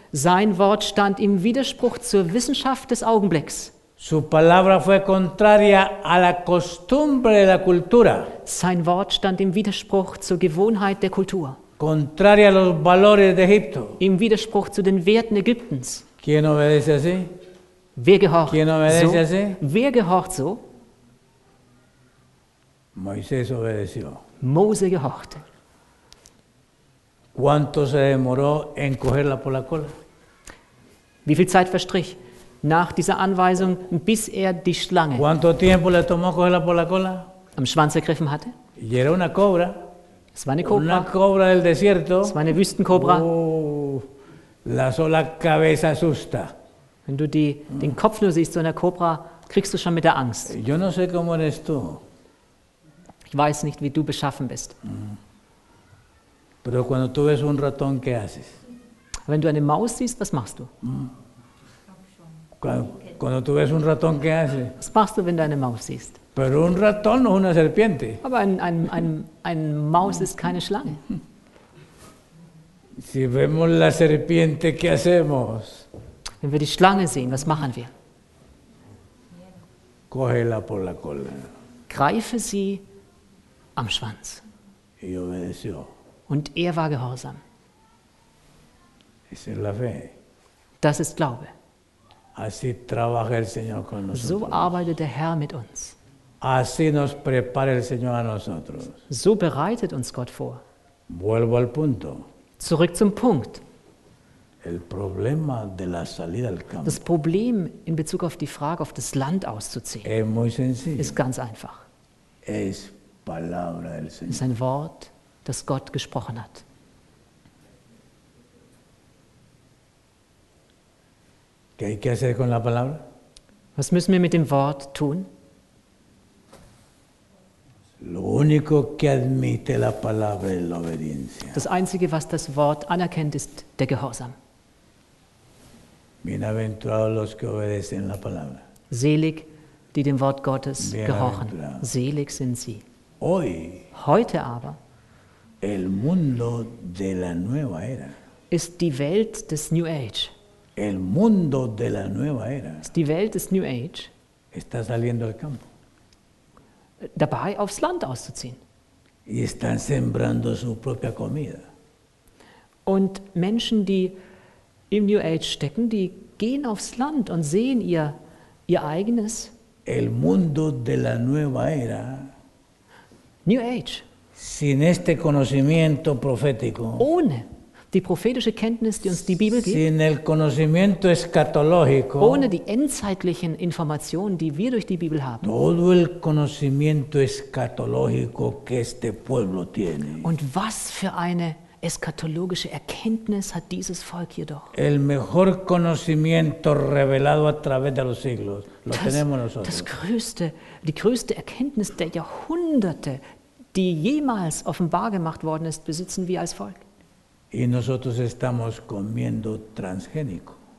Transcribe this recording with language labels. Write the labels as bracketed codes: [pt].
[de] Sein Wort stand im Widerspruch zur Wissenschaft des Augenblicks. [es] Su palabra fue contraria a la costumbre de la cultura. [de] Sein Wort stand im Widerspruch zur Gewohnheit der Kultur. [es] Contraria a los valores de Egipto. [de] Im Widerspruch zu den Werten Ägyptens. [es] ¿Quién obedece así? [de] Wer gehorcht [es] ¿quién obedece así? [de] Wer gehorcht so? [es] Moisés obedeció. [de] Mose gehorchte. [es] ¿Cuánto se demoró en cogerla por la cola? [de] Wie viel Zeit verstrich nach dieser Anweisung, bis er die Schlange am Schwanz ergriffen hatte? [es] Y era una cobra. [de] Es war eine Kobra. [es] Una cobra del desierto. [de] Es war eine Wüstenkobra. [es] La sola cabeza asusta. [de] Wenn du den Kopf nur siehst, so einer Kobra, kriegst du schon mit der Angst. [es] Yo no sé cómo eres tú. [de] Ich weiß nicht, wie du beschaffen bist. [es] Pero cuando tú ves un ratón, ¿qué haces? [de] Wenn du eine Maus siehst, was machst du? [es] Cuando tú ves un ratón, ¿qué haces? [de] Was machst du, wenn du eine Maus siehst? [es] Pero un ratón no es una serpiente. [de] Aber ein Maus ist keine Schlange. [es] Si vemos la serpiente, ¿qué hacemos? [de] Wenn wir die Schlange sehen, was machen wir? [es] Cógela por la cola. [de] Greife sie am Schwanz. [es] Y obedeció. [de] Und er war gehorsam. [es] Esa es la fe. [de] Das ist Glaube. [es] Así trabaja el Señor con nosotros. [de] So arbeitet der Herr mit uns. [es] Así nos prepara el Señor a nosotros. [de] So bereitet uns Gott vor. [es] Vuelvo al punto. [de] Zurück zum Punkt. [es] El problema de la salida al campo. [de] Das Problem in Bezug auf die Frage, auf das Land auszuziehen, [es] es muy sencillo. [de] Ist ganz einfach. [es] Es palabra del Señor. [de] Ist ein Wort, das Gott gesprochen hat. [es] ¿Qué hay que hacer con la palabra? [de] Was müssen wir mit dem Wort tun? [es] Lo único que admite la palabra es la obediencia. [de] Das Einzige, was das Wort anerkennt, ist der Gehorsam. [es] Bienaventurados los que obedecen la palabra. [de] Selig, die dem Wort Gottes gehorchen. Selig sind sie. [es] Hoy, [de] heute aber, [es] el mundo de la nueva era. [de] Ist die Welt des New Age. [es] El mundo de la nueva era. [de] Ist die Welt des New Age. [es] Está saliendo al campo. [de] Dabei aufs Land auszuziehen. [es] Y están sembrando su propia comida. [de] Und Menschen, die im New Age stecken, die gehen aufs Land und sehen ihr eigenes. [es] El mundo de la nueva era. [de] New Age. [es] Sin este conocimiento profético. [de] Ohne Die prophetische Kenntnis, die uns die Bibel gibt, [es] sin el conocimiento escatológico, [de] ohne die endzeitlichen Informationen, die wir durch die Bibel haben, [es] todo el conocimiento escatológico que este pueblo tiene. [de] Und was für eine eschatologische Erkenntnis hat dieses Volk hier doch. [es] El mejor conocimiento revelado a través de los siglos, lo tenemos nosotros. [de] Die größte Erkenntnis der Jahrhunderte, die jemals offenbar gemacht worden ist, besitzen wir als Volk. [es] Y nosotros estamos comiendo transgénico.